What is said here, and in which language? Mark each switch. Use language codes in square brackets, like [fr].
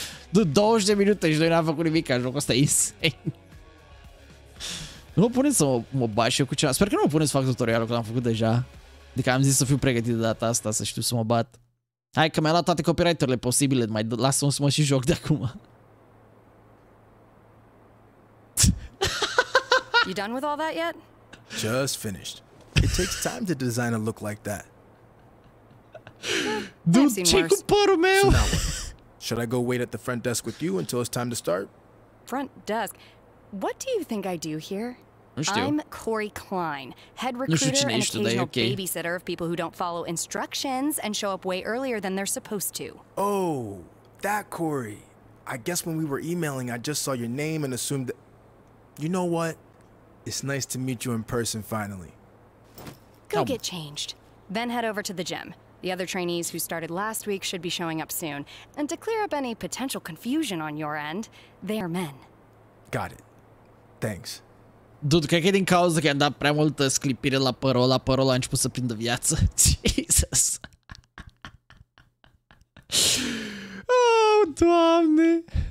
[ro] Du 20 de minute și noi n-am făcut nimic, ca jocul ăsta e insane. Nu mă puneți să mă bat și eu cu ceva. Sper că nu mă puneți să fac tutorialul, că l-am făcut deja. Adică am zis să fiu pregătit de data asta, să știu să mă bat. Hai că mi-a luat toate copywriterile posibile, mai lasă-mă să mă și joc de acum. [en] You done with all that yet? Just finished. It takes time to design a look like that. [ro] Dude, ce-i cu părul meu? [en] Should I go wait at the front desk with you until it's time to start? Front desk? What do you think I do here? [ro] Nu știu. [en] I'm Corey Klein, head recruiter and occasional babysitter of people who don't follow instructions and show up way earlier than they're supposed to. Oh, that Corey. I guess when we were emailing, I just saw your name and assumed that... You know what? It's nice to meet you in person finally. Go get changed. Then head over to the gym. The other trainees who started last week should be showing up soon. And to clear up any potential confusion on your end, they are men. Got it. Thanks. [ro] Dude, cred că e din cauza că i-am dat prea multă sclipire la părul ăla. Părul ăla a început să prindă viață. [en] Jesus. [ro] Oh, doamne.